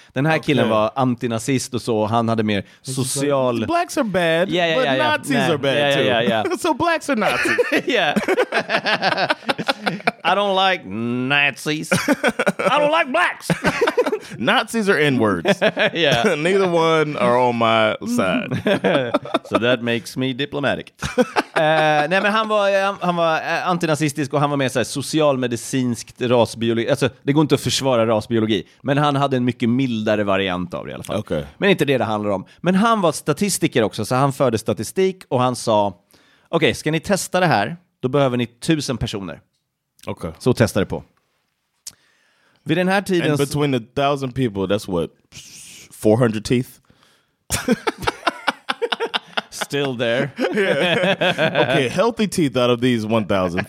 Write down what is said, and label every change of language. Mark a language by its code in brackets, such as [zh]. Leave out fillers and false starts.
[sv] Den här killen var antinazist och så, och han hade mer social... [en] Like, blacks are bad, Nazis are bad too. So blacks are Nazis. Yeah. I don't like Nazis. I don't like blacks. Nazis are N-words. Yeah. Neither one are on my side. So that makes me diplomatic. [sv] Nej, men han var antinazistisk och han var mer så här socialmedicinskt rasbiologi. Alltså, det går inte att försvara rasbiologi. Men han hade en mycket mildare variant av det i alla fall. [en] Okay. [sv] Men inte det handlar om. Men han var statistiker också, så han förde statistik och han sa, okej, ska ni testa det här, då behöver ni 1000 personer. [en] Okay. [sv] Så testa det på. Vid den här tiden... [en] And between 1000 people, that's what? 400 teeth? Still there. Okay, healthy teeth out of these 1000.